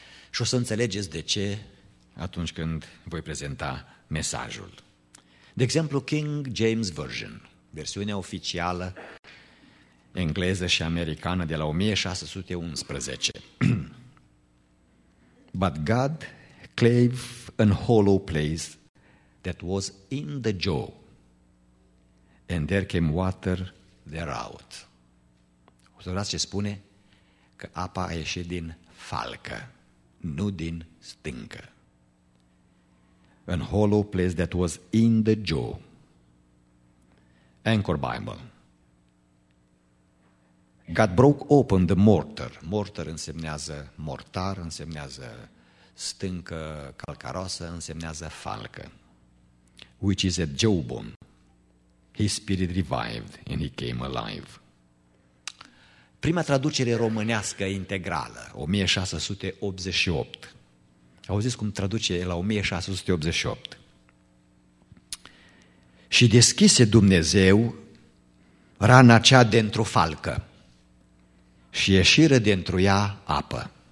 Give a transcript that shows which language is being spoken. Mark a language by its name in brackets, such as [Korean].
[Romanian] Și o să înțelegeți de ce atunci când voi prezenta mesajul. De exemplu, King James Version, versiunea oficială engleză și americană de la 1611. [English] But God clave an hollow place that was in the jaw, and there came water thereout. [Romanian] Observați ce spune? Că apa a ieșit din falcă, nu din stâncă. [English] An hollow place that was in the jaw. Anchor Bible. God broke open the mortar. [Romanian] Mortar însemnează mortar, însemnează stâncă calcaroasă, însemnează falcă. [English] Which is a jawbone. His spirit revived and he came alive. [Romanian] Prima traducere românească integrală, 1688. Auziți cum traduce la 1688. Și deschise Dumnezeu rana cea dintr-o falcă și ieșiră dintr-o ea apă.